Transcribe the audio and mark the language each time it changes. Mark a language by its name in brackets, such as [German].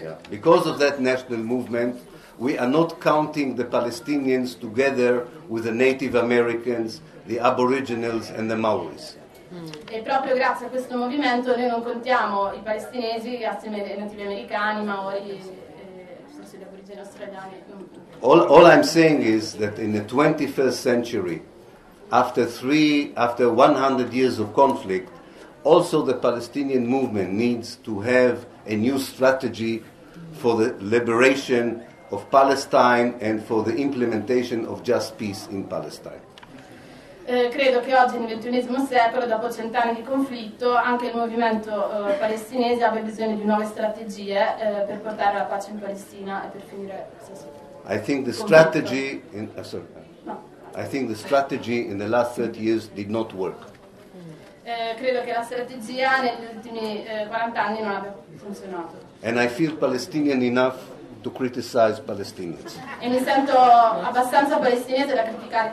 [English] Because of that national movement, we are not counting the Palestinians together with the Native Americans, the Aboriginals and the Maoris. [Italian] E proprio grazie a questo movimento noi non contiamo i palestinesi assieme ai nativi americani, i Maori, gli aborigeni australiani. [English] All I'm saying is that in the 21st century, after 100 years of conflict, also the Palestinian movement needs to have a new strategy for the liberation of Palestine and for the implementation of just peace in Palestine. [Italian] Credo che oggi nel 21 secolo, dopo 100 anni di conflitto, anche il movimento palestinese abbia bisogno di nuove strategie per portare la pace in Palestina e per finire questa situazione. [English] I think the strategy in the last 30 years did not work. [Italian] Credo che la strategia negli ultimi 40 anni non abbia funzionato. [English] And I feel Palestinian enough to criticize Palestinians. [Italian] E mi sento abbastanza palestinese da criticare i